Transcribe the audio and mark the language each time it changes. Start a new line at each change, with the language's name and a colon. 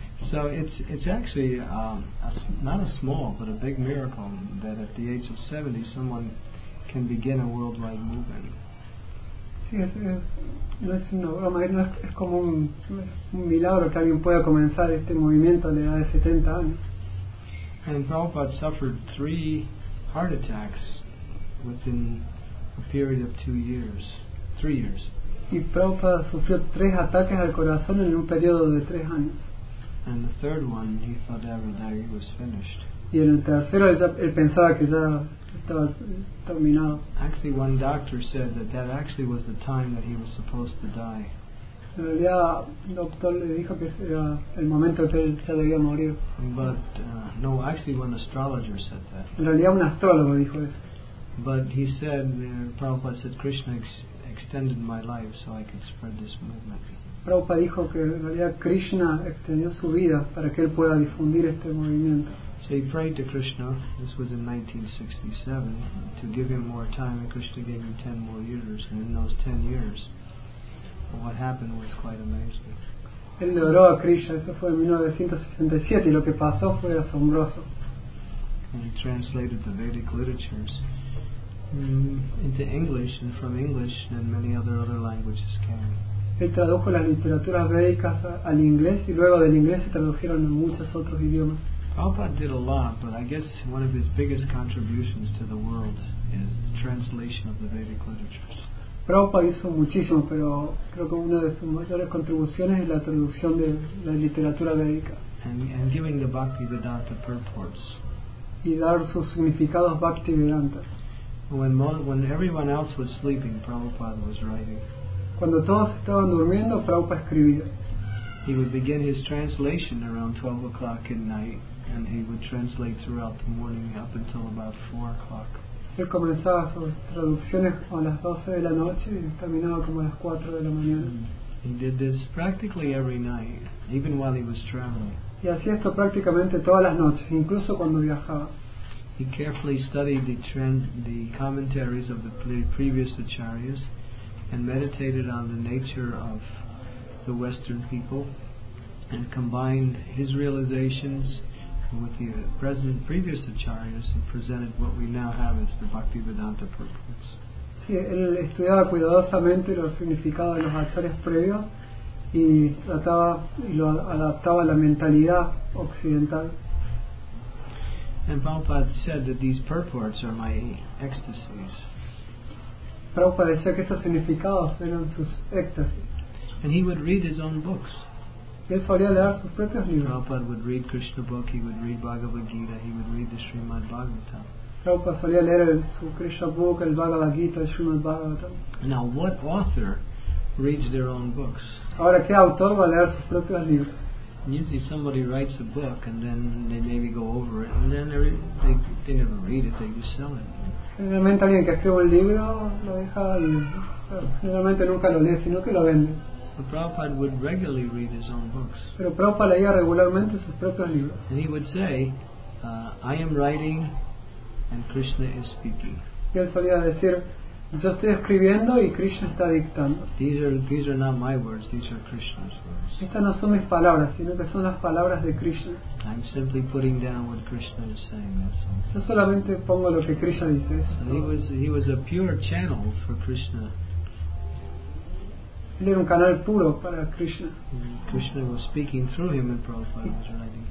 English: So it's actually not a small but a big miracle that at the age of 70 someone can begin a worldwide movement.
Spanish: Sí, es una broma, es como un milagro que alguien pueda comenzar este movimiento a la edad de 70 años.
English: And Prabhupada suffered 3 heart attacks within a period of 3 years.
Spanish: Y Prabhupada sufrió 3 ataques al corazón en un periodo de 3 años.
English: And the third one, he thought that he was finished.
Spanish: Y en el tercero, él pensaba que ya estaba terminado.
English: Actually, one doctor said that actually was the time that he was supposed to die.
Spanish: En realidad, el doctor le dijo que era el momento que él ya debía morir.
English: But, no, actually one astrologer said that.
Spanish: En realidad, un astrólogo dijo eso.
English: But he said, Prabhupada said, Krishna extended my life so I could spread this movement.
Spanish: Prabhupada dijo que en realidad Krishna extendió su vida para que él pueda difundir este movimiento.
English: So he prayed to Krishna, this was in 1967, to give him more time, and Krishna gave him 10 more years, and in those 10 years, what happened was quite amazing.
Spanish: Él le oró a Krishna, eso fue en 1967, y lo que pasó fue asombroso.
English: And he translated the Vedic literatures into English, and from English, and many other languages came.
Spanish: Él tradujo las literaturas védicas al inglés y luego del inglés se tradujeron en muchos otros idiomas.
English: Prabhupada did a lot, but I guess one of his biggest contributions to the world is the translation of the Vedic literatures.
Spanish: Prabhupada hizo muchísimo, pero creo que una de sus mayores contribuciones es la traducción de la literatura védica.
English: And giving the Bhaktivedanta purports.
Spanish: Y dar sus significados Bhaktivedanta.
English: When everyone else was sleeping, Prabhupada was writing.
Spanish: Cuando todos estaban durmiendo, Prabhupada escribía.
English: He would begin his translation around 12 o'clock at night, and he would translate throughout the morning up until about 4 o'clock.
Spanish: Él comenzaba sus traducciones a las 12 de la noche y terminaba como a las 4 de la mañana.
English: He did this practically every night, even while he was traveling.
Spanish: Y hacía esto prácticamente todas las noches, incluso cuando viajaba.
English: He carefully studied the commentaries of the previous acharyas and meditated on the nature of the Western people, and combined his realizations with the previous acharyas and presented what we now have as the Bhaktivedanta purports.
Spanish: Sí, él estudiaba cuidadosamente los significados de los acharyas previos y trataba y lo adaptaba a la mentalidad occidental.
English: And Prabhupada said that these purports are my ecstasies.
Spanish: Prabhupada decía que estos significados eran sus éxtasis.
English: And he would read his own books.
Spanish: Él solía leer sus propios libros.
English: Prabhupada would read Krishna book, he would read Bhagavad Gita, he would read the Srimad Bhagavatam.
Spanish: Prabhupada solía leer su Krishna book, el Bhagavad Gita, el Srimad Bhagavatam.
English: Now what author reads their own books?
Spanish: Ahora, ¿qué autor va a leer sus propios libros?
English: Usually somebody writes a book and then they maybe go over it and then they never read it, they just sell it.
Spanish: Generalmente alguien que escribe un libro lo deja y generalmente nunca lo lee, sino que lo vende.
English: But Prabhupada would regularly read his own books.
Spanish: Pero Prabhupada leía regularmente sus propios libros.
English: And he would say, I am writing and Krishna is speaking.
Spanish: Y él solía decir, yo estoy escribiendo y Krishna está dictando.
English: These are not my words, these are Krishna's words.
Spanish: Estas no son mis palabras, sino que son las palabras de Krishna.
English: I'm simply putting down what Krishna is saying.
Spanish: Yo solamente pongo lo que Krishna dice.
English: He was a pure channel for Krishna.
Spanish: Él era un canal puro para Krishna.
English: Krishna was speaking through him and Prabhupada was writing.